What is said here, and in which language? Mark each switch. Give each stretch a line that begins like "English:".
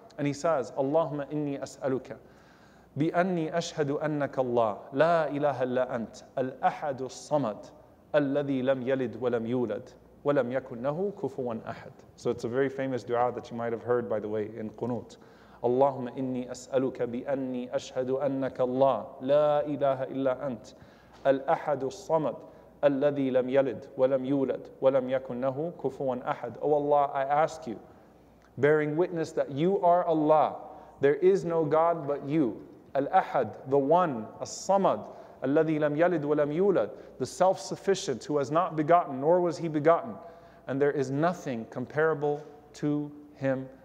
English: And he says,
Arabic: Allahumma inni as'aluka bi anni ashhadu annaka Allah la ilaha illa ant al-ahadu samad alladhi lam yalid wa lam yulad. وَلَمْ يَكُنَّهُ كُفُوًا أَحَدٍ.
English: So it's a very famous dua that you might have heard, by the way, in Qunut.
Arabic: اللهم إني أسألك بأني أشهد أنك الله لا إله إلا أنت الأحد الصمد الذي لم يلد ولم يولد ولم يكنه كفواً أحد.
English: Oh Allah, I ask you, bearing witness that you are Allah, there is no God but you. الأحد, the one, الصمد,
Arabic: الَّذِي لَمْ يَلِدْ وَلَمْ يُولَدْ,
English: the self-sufficient who has not begotten, nor was he begotten. And there is nothing comparable to him